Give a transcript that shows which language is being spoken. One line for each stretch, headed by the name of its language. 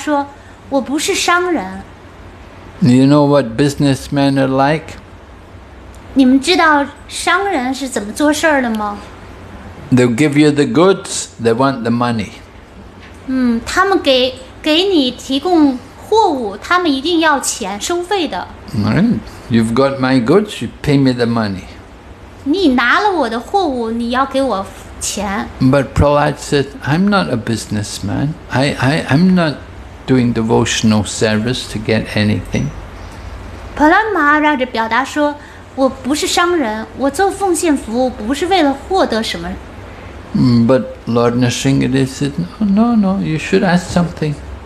Chinese: 普拉德马拉德回答说,我不是商人。
English: You know what businessmen are like?
Chinese: 你们知道商人是怎么做事的吗?
English: They'll give you the goods, they want the money.
Chinese: 他们给你提供货物, 他们一定要钱收费的。
English: Right. You've got my goods, you pay me the money.
Chinese: 你拿了我的货物, 你要给我钱。
English: But Prahlad said, I'm not a businessman. I'm not doing devotional service to get anything.
Chinese: Prahlad Maharaj表达说, 我不是商人, 我做奉献服务不是为了获得什么。
English: But Lord Nrisimhadev said, no, you should ask something.